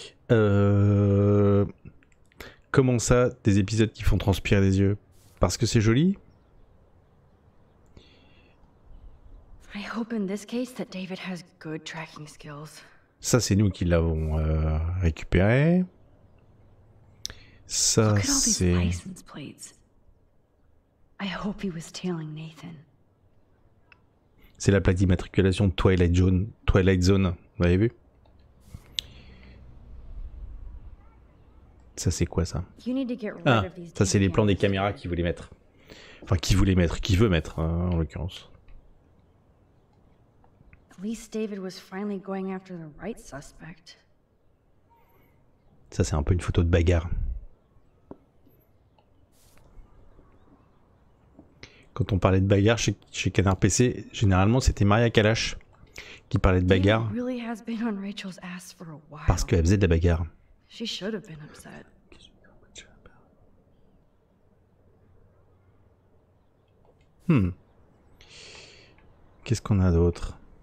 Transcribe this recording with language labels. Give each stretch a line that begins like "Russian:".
French: Comment ça, des épisodes qui font transpirer les yeux? Parce que c'est joli?
English: I hope in this case that David has good tracking skills.
French: Ça, c'est nous qui l'avons récupéré. Ça, c'est...
English: Look at all these license plates. I hope he was tailing Nathan.
French: C'est la plaque d'immatriculation Twilight Zone, vous avez vu? Ça, c'est quoi, ça? Ah, ça, c'est les plans des caméras qu'il voulait mettre. Enfin, qui veut mettre, en l'occurrence.
English: At least David was finally going after the right suspect.
French: Ça, c'est un peu une photo de bagarre. Quand on parlait de bagarre chez Canard PC, généralement c'était Maria Kalash qui parlait de bagarre.
English: David really has been on Rachel's ass for a while.
French: Parce qu'elle faisait de la bagarre.
English: She should have been upset.
French: Qu'est-ce qu'on a d'autre?